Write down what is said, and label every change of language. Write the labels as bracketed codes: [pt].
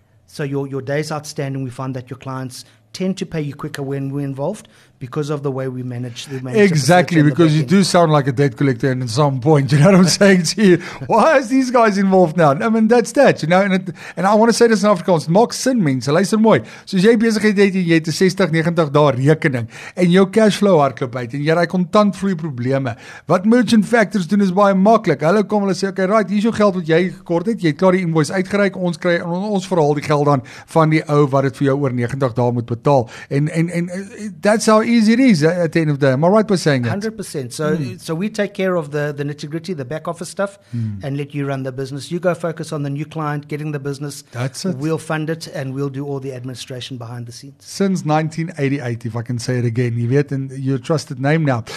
[en] So your days outstanding, we find that your clients tend to pay you quicker when we're involved because of the way we manage exactly, because you do sound like a debt collector and at some point, you know what I'm saying to you? Why is these guys involved now? I mean, that's that, you know, and I want to say this in Afrikaans. [af] Maak sin, mense. Luister mooi. So as jy besigheid het en jy het 60, 90 dae rekening en jou cash flow hardloop uit en jy raai kontantvloei probleme, wat Merchant Factors doen is baie maklik. Hulle kom, hulle sê, okay, right, hier is jou geld wat jy gekort het, jy het klaar die invoice uitgereik, ons kry en ons verhaal die geld dan van die ou wat het vir jou oor 90 dae moet betaal. [en] En that's how easy it is at the end of the day. Am I right by saying that? 100%. So we take care of the nitty-gritty, the back office stuff, and let you run the business. You go focus on the new client, getting the business. That's it. We'll fund it and we'll do all the administration behind the scenes. Since 1988, if I can say it again, Yvette, and your trusted name now.